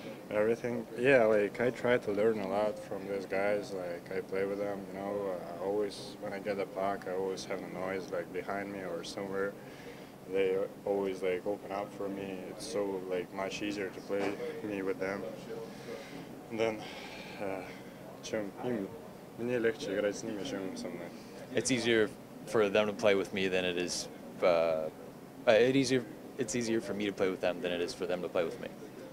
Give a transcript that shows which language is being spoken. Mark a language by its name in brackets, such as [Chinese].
[English] Everything, yeah, like, I try to learn a lot from these guys, like, I play with them, you know, always, when I get the puck, I always have a noise, like, behind me or somewhere. They always, like, open up for me. It's so, like, much easier to play me with them. And then, чем им. [Russian] Мне легче играть с ними, чем со мной. [English] It's easier for them to play with me than it is. It's easier for me to play with them than it is for them to play with me.